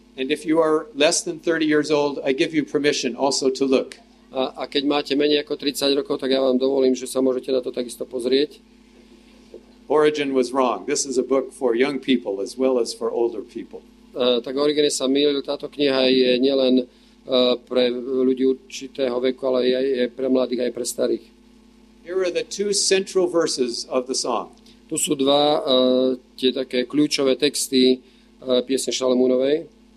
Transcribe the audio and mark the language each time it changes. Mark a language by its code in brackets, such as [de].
[en] And if you are less than 30 years old, I give you permission also to look. [sk] A keď máte menej ako 30 rokov, tak ja vám dovolím, že sa môžete na to takisto pozrieť. [en] Origen was wrong. This is a book for young people as well as for older people. [sk] Tak Origen sa mýlil. Táto kniha je nielen pre ľudí určitého veku, ale je pre mladých aj pre starých. [en] Here are the two central verses of the song. [sk] Tu sú dva tie také kľúčové texty piesne Šalamúnovej.